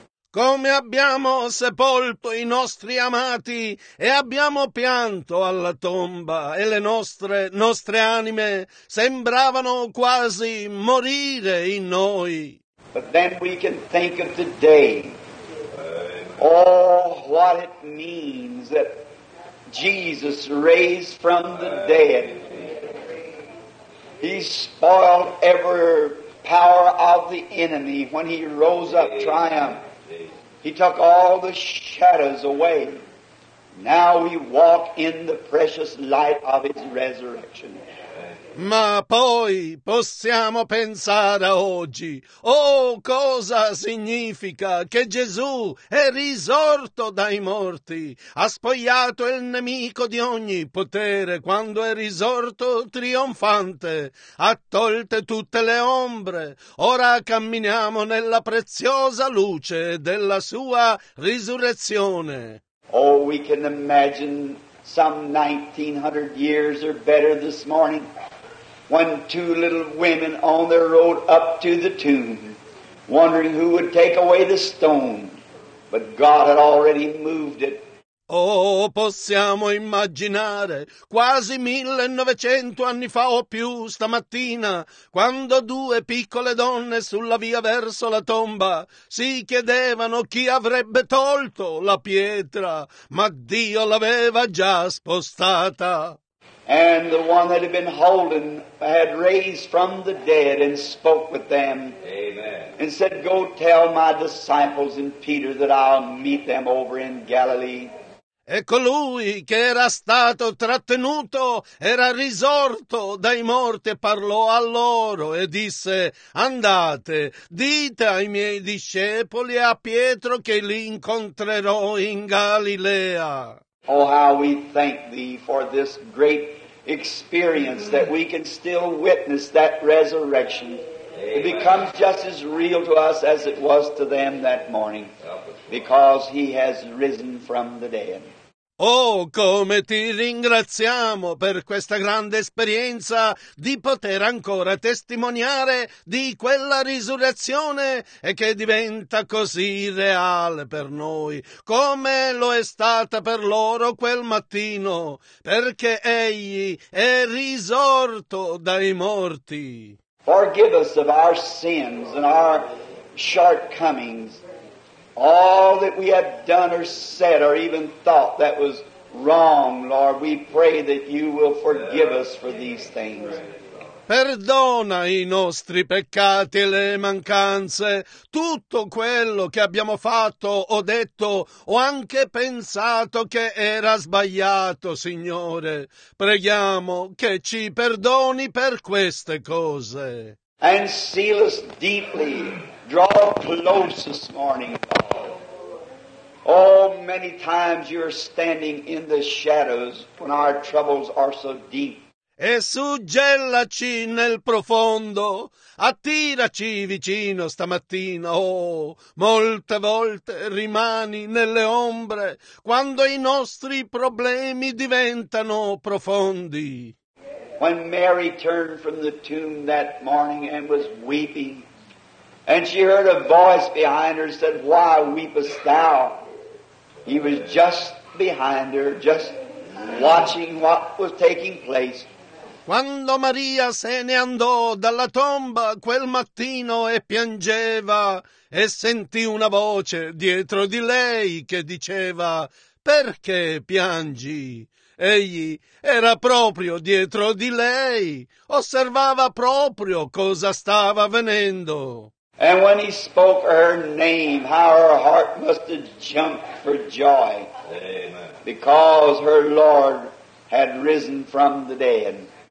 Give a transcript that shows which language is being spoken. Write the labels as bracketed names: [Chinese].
[Italian] Come abbiamo sepolto i nostri amati e abbiamo pianto alla tomba e le nostre anime sembravano quasi morire in noi. [English] But then we can think of today. Oh, what it means that Jesus raised from the dead. He spoiled every power of the enemy when he rose up triumphant. He took all the shadows away. Now we walk in the precious light of his resurrection. [Italian] Ma poi possiamo pensare a oggi. Oh, cosa significa che Gesù è risorto dai morti, ha spogliato il nemico di ogni potere quando è risorto trionfante, ha tolte tutte le ombre. Ora camminiamo nella preziosa luce della sua risurrezione. [English] Oh, we can imagine some 1900 years or better this morning. When two little women on their road up to the tomb, wondering who would take away the stone, but God had already moved it. [Italian] Oh, possiamo immaginare quasi 1900 anni fa o più stamattina, quando due piccole donne sulla via verso la tomba si chiedevano chi avrebbe tolto la pietra, ma Dio l'aveva già spostata. [English] And the one that had been holding had raised from the dead and spoke with them. Amen. And said, go tell my disciples and Peter that I'll meet them over in Galilee. [Italian] E colui che era stato trattenuto era risorto dai morti e parlò a loro e disse, andate, dite ai miei discepoli e a Pietro che li incontrerò in Galilea. [English] Oh, how we thank thee for this great experience that we can still witness that resurrection. Amen. It becomes just as real to us as it was to them that morning because he has risen from the dead. [Italian] Oh, come ti ringraziamo per questa grande esperienza di poter ancora testimoniare di quella risurrezione e che diventa così reale per noi, come lo è stata per loro quel mattino, perché egli è risorto dai morti. [English] Forgive us of our sins and our shortcomings. All that we have done or said or even thought that was wrong, Lord, we pray that you will forgive us for these things. [Italian] Perdona i nostri peccati e le mancanze, tutto quello che abbiamo fatto o detto o anche pensato che era sbagliato, Signore. Preghiamo che ci perdoni per queste cose. [English] And seal us deeply. Draw close this morning, Father. Oh, many times you are standing in the shadows when our troubles are so deep. [Italian] E suggellaci nel profondo, attiraci vicino stamattina. Oh, molte volte rimani nelle ombre quando i nostri problemi diventano profondi. [English] When Mary turned from the tomb that morning and was weeping, and she heard a voice behind her said, why weepest thou? He was just behind her, just watching what was taking place. [Italian] Quando Maria se ne andò dalla tomba quel mattino e piangeva, e sentì una voce dietro di lei che diceva, perché piangi? Egli era proprio dietro di lei, osservava proprio cosa stava avvenendo. [English] And when he spoke her name, how her heart must have jumped for joy. Amen. Because her Lord had risen from the dead.